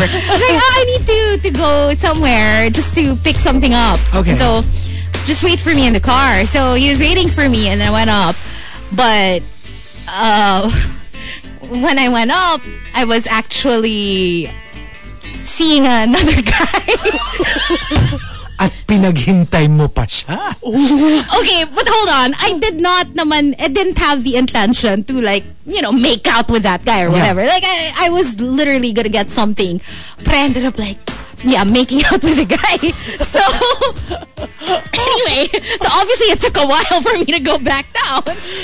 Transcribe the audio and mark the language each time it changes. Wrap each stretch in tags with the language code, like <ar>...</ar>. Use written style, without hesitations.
<en>I was like, oh, I need to go somewhere just to pick something up. Okay. And so, just wait for me in the car. So, he was waiting for me and I went up. But, when I went up, I was actually seeing another guy.</en> <tl>At pinaghintay mo pa siya.</tl> <en>Okay, but hold on. I didn't have the intention to, like, you know, make out with that guy or whatever. Yeah. Like, I was literally gonna get something. But I ended up, like, yeah, making out with the guy. So, anyway. So, obviously, it took a while for me to go back down.</en>